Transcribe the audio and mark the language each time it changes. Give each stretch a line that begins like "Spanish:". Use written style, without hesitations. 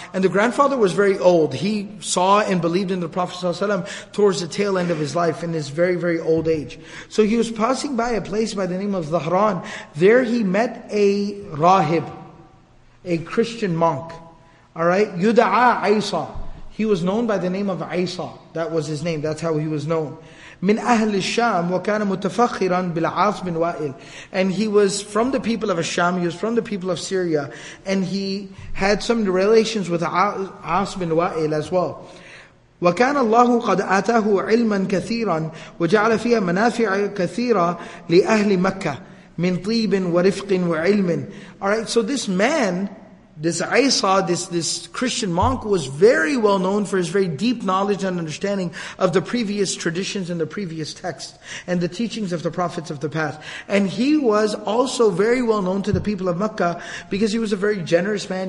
English: And the grandfather was very old. He saw and believed in the Prophet ﷺ towards the tail end of his life, in his very, very old age. So he was passing by a place by the name of Dhahran. There he met a rahib, a Christian monk. All right, Yuda'a Aysa. He was known by the name of Aysa. That was his name. That's how he was known.
Arabic: من أهل الشام وكان متفخرا بالعاص بن وائل.
English: And he was from the people of Asham, he was from the people of Syria, and he had some relations with عاص بن وائل as well.
Arabic: وكان الله قد آتاه علما كثيرا وجعل فيها منافع كثيرة لأهل مكة من طيب ورفق وعلم.
English: Alright, so this man, this Isa, this Christian monk, was very well known for his very deep knowledge and understanding of the previous traditions and the previous texts and the teachings of the prophets of the past. And he was also very well known to the people of Mecca because he was a very generous man.